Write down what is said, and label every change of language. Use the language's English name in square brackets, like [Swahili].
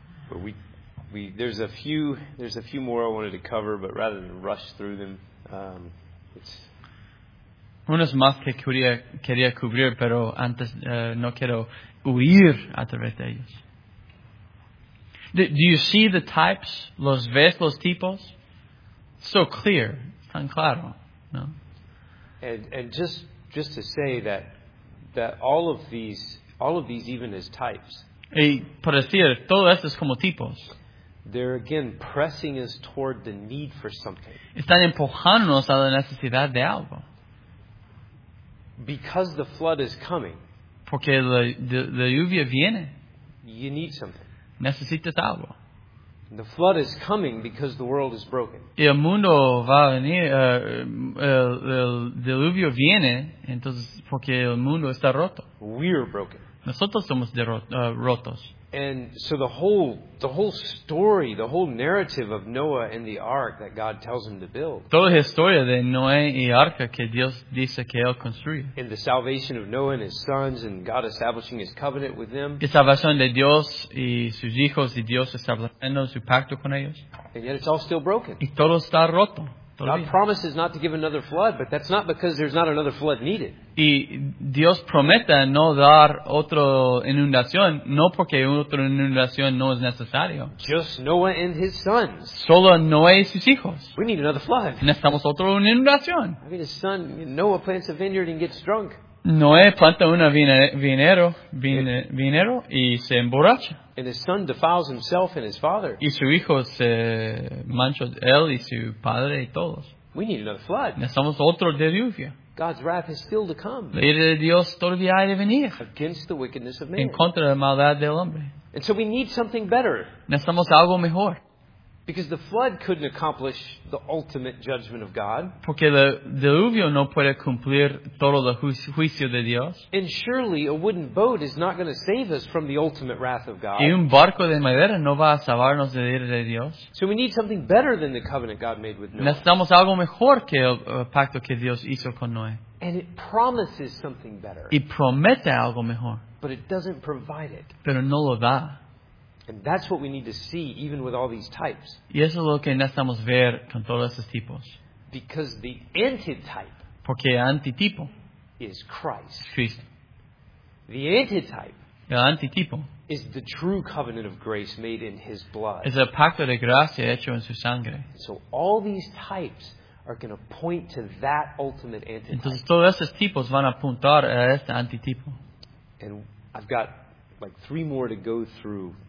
[English] But there's a few more I wanted to cover, but rather than rush through them, it's [Spanish] unas más que quería cubrir, pero antes no quiero huir a través de ellos. [English] Do you see the types? [Spanish] Los ves los tipos? [English] So clear, [Spanish] tan claro, no? [English] And just to say that. That all of these, even as types. [Spanish] Y para decir, todo esto es como tipos. [English] They're again pressing us toward the need for something. [Spanish] Están empujándonos a la necesidad de algo. [English] Because the flood is coming. [Spanish] Porque la lluvia viene. [English] You need something. [Spanish] Necesitas algo. [English] And the flood is coming because the world is broken. [Spanish] Y el mundo va a venir, el diluvio viene, entonces porque el mundo está roto. [English] We are broken. [Spanish] Nosotros somos rotos. [English] And so the whole story, the whole narrative of Noah and the ark that God tells him to build. [Spanish] Toda la historia de Noé y arca que Dios dice que él construye. [English] And the salvation of Noah and his sons and God establishing his covenant with them. [Spanish] La salvación de Dios y sus hijos y Dios estableciendo su pacto con ellos. [English] And yet it's all still broken. [Spanish] Y todo está roto. [English] God promises not to give another flood, but that's not because there's not another flood needed. [Spanish] Y Dios promete no dar otra inundación, no porque otra inundación no es necesario. [English] Just Noah and his sons. [Spanish] Solo Noé y sus hijos. [English] We need another flood. [Spanish] Necesitamos otra inundación. [English] I mean, his son Noah plants a vineyard and gets drunk. [Spanish] Noé planta una vinero y se emborracha. [English] And his son defiles himself and his father. [Spanish] Y su hijo se mancha él y su padre y todos. [English] We need another flood. [Spanish] Necesitamos otro de lluvia. [English] God's wrath is still to come. [Spanish] La ira de Dios todavía ha de venir. [English] Against the wickedness of man. [Spanish] En contra de la maldad del hombre. [English] And so we need something better. [Spanish] Necesitamos algo mejor. [English] Because the flood couldn't accomplish the ultimate judgment of God. [Spanish] Porque el diluvio no puede cumplir todo el juicio de Dios. [English] And surely a wooden boat is not going to save us from the ultimate wrath of God. [Spanish] Y un barco de madera no va a salvarnos de la ira de Dios. [English] So we need something better than the covenant God made with Noah. [Spanish] Necesitamos algo mejor que el pacto que Dios hizo con Noé. [English] And it promises something better. [Spanish] Y promete algo mejor. [English] But it doesn't provide it. [Spanish] Pero no lo da. [English] And that's what we need to see, even with all these types. [Spanish] Y eso es lo que necesitamos ver con todos estos tipos. [English] Because the antitype. [Spanish] Porque el antitipo. [English] Is Christ. [Spanish] Cristo. [English] The antitype. [Spanish] El antitipo. [English] Is the true covenant of grace made in His blood. [Spanish] Es el pacto de gracia hecho en su sangre. [English] So all these types are going to point to that ultimate antitype. [Spanish] Entonces todos estos tipos van a apuntar a este antitipo. [English] And I've got like three more to go through.